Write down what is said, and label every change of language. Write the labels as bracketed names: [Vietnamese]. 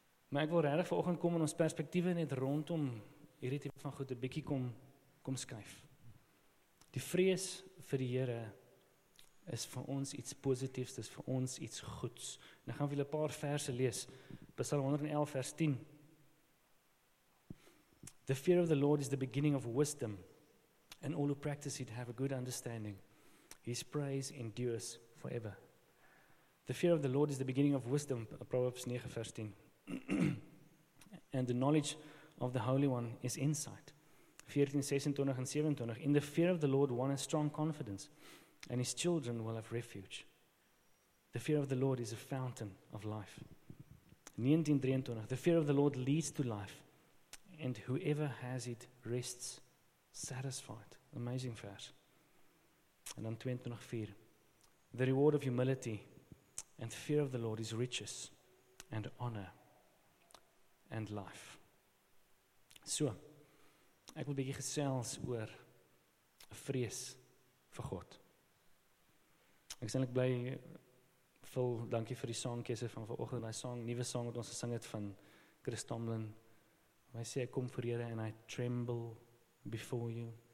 [Afrikaans] Maar ek wil regtig vanoggend kom en ons perspektiewe net rondom hierdie tipe van goed 'n bietjie kom skuif. Die vrees vir die Here is vir ons iets positiefs, dis vir ons iets goeds. En ek gaan vir julle 'n paar verse lees. Psalm 111 vers 10. [English] The fear of the Lord is the beginning of wisdom, and all who practice it have a good understanding. His praise endures forever. The fear of the Lord is the beginning of wisdom, Proverbs 9 vers 10. And the knowledge of the Holy One is insight. 14:26 and 27. In the fear of the Lord one has strong confidence, and his children will have refuge. The fear of the Lord is a fountain of life. 19:23. The fear of the Lord leads to life, and whoever has it rests satisfied. Amazing verse. And then 22:4. The reward of humility and the fear of the Lord is riches and honor and life. [Afrikaans] So, ek wil bietjie gesels oor vrees vir God. Ek is eintlik bly, Phil, dankie vir die songkeuse van vanoggend, daai song, nuwe song wat ons gesing het van Chris Tomlin. Hy sê, ek kom voor Here en [English] I tremble before you.